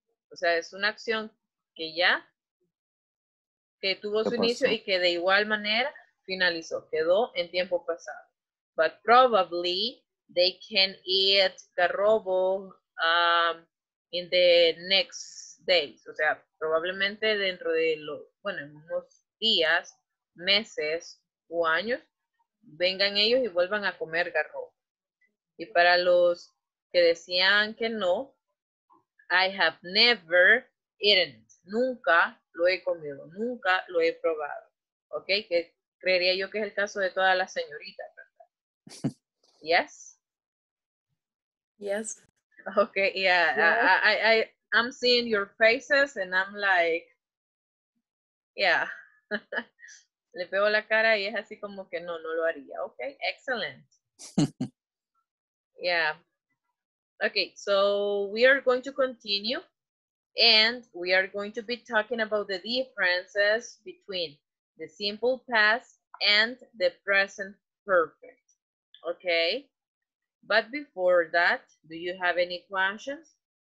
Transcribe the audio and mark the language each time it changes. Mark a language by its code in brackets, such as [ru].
[es] O sea, es una acción que ya, que tuvo su inicio y que de igual manera finalizó. Quedó en tiempo pasado. [en] But probably they can eat garrobo in the next days. [es] O sea, probablemente dentro de los, bueno, en unos días, meses o años, vengan ellos y vuelvan a comer garrobo. Y para los que decían que no, [en] I have never eaten it. [es] Nunca lo he comido, nunca lo he probado. Ok, que creería yo que es el caso de todas las señoritas, ¿verdad? [en] Yes? Yes. Ok, yeah. Yes. I'm seeing your faces and I'm like, yeah. [es] Le veo la cara y es así como que no, no lo haría. [en] Ok, excellent. Yeah. Okay, so we are going to continue and we are going to be talking about the differences between the simple past and the present perfect. Okay, but before that, do you have any questions?